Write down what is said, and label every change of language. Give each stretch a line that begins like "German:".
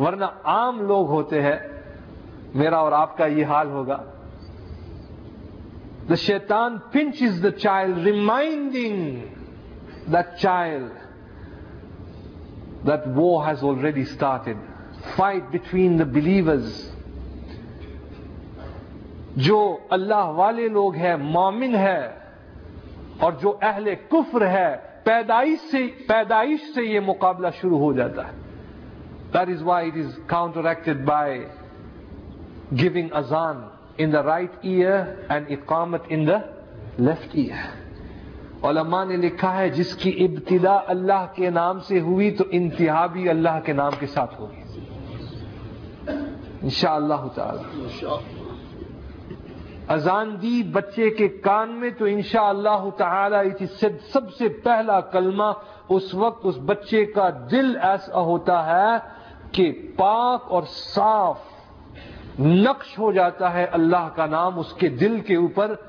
English: ورنہ عام لوگ ہوتے ہیں, میرا اور آپ کا یہ حال ہوگا. The shaitan pinches the child, reminding that child that war has already started. Fight between the believers.
Urdu: جو اللہ والے لوگ ہیں, مومن ہیں, اور جو اہل کفر ہے, پیدائش سے یہ مقابلہ شروع ہو جاتا ہے.
English: That is why it is counteracted by giving azan in the right ear and iqamat in the left ear.
Urdu: علماء نے لکھا ہے جس کی ابتدا اللہ کے نام سے ہوئی تو انتہا بھی اللہ کے نام کے ساتھ ہوگی. انشاءاللہ تعالی. اذان دی بچے کے کان میں تو انشاءاللہ تعالی یہ سب سے پہلا کلمہ اس وقت اس بچے کا دل ایسا ہوتا ہے کہ پاک اور صاف نقش ہو جاتا ہے اللہ کا نام اس کے دل کے اوپر.